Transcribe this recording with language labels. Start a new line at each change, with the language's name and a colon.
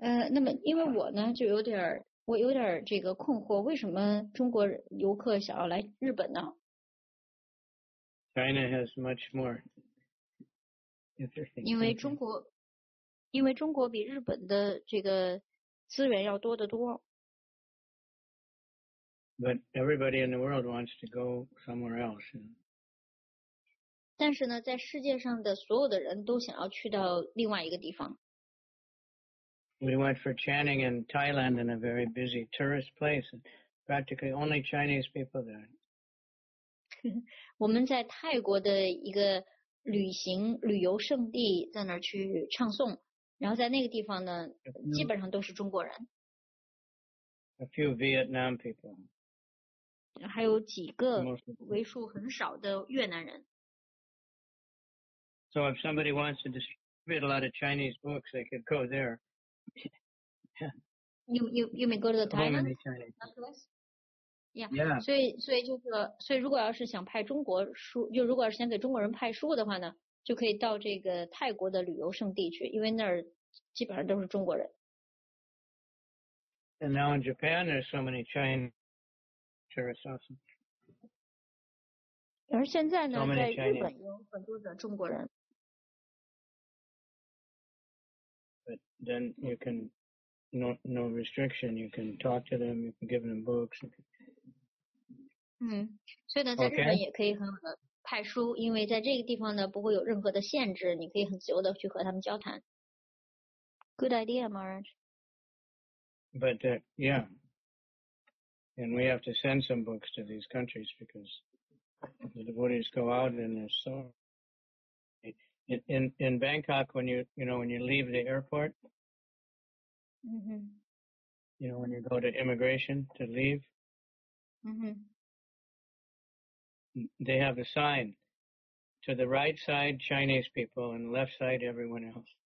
Chinese: 那么因为我呢，就有点我有点这个困惑，为什么中国游客想要来日本呢？
English: China has much more interesting.
Chinese: 因为中国比日本的这个资源要多得多。
English: But everybody in the world wants to go somewhere else.
Chinese: 但是呢，在世界上的所有的人都想要去到另外一个地方。
English: We went for chanting in Thailand in a very busy tourist place, and practically only Chinese people there.
Chinese: 我们在泰国的一个旅行旅游胜地，在那儿去唱诵，然后在那个地方呢，基本上都是中国人。
English: A few Vietnam people.
Chinese: 还有几个为数很少的越南人。
English: So if somebody wants to distribute a lot of Chinese books, they could go there. you may go to the Thailand. Yeah.
Chinese: 所以就是，所以如果要是想派中国书，就如果要是想给中国人派书的话呢，就可以到这个泰国的旅游胜地去，因为那儿基本上都是中国人。
English: And now in Japan, there's so many Chinese tourists. Awesome.
Chinese: 而现在呢，在日本有很多的中国人。
English: But then you can no restriction. You can talk to them. You can give them books.
Chinese: 所以呢，在日本也可以很好的派书，
English: okay.
Chinese: 因为在这个地方呢不会有任何的限制，你可以很自由的去和他们交谈。
English: Good idea, Maharaj. But yeah, and we have to send some books to these countries because the devotees go out and they're so. In Bangkok, when you leave the airport, you know, when you go to immigration to leave, they have a sign to the right side Chinese people and left side everyone else.